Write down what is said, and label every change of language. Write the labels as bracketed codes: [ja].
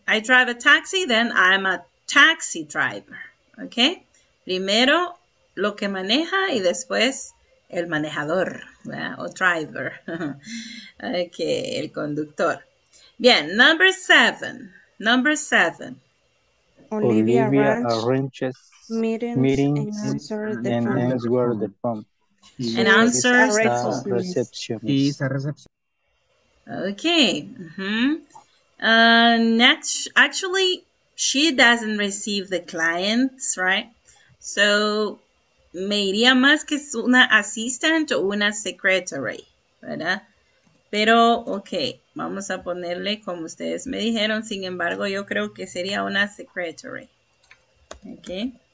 [en] I drive a taxi, then I'm a taxi driver. Okay? [es] Primero lo que maneja y después el manejador, ¿verdad? O driver. Okay, el conductor. Bien, [en] number seven. Number seven. Olivia arranges meetings and answers the phone. And answers the reception. He's a receptionist. Okay. Mm-hmm. Next, actually, she doesn't receive the clients, right? [es] So, me iría más que una assistant o una secretary, ¿verdad? Pero, okay, vamos a ponerle como ustedes me dijeron, sin embargo, yo creo que sería una secretary. [en] Okay.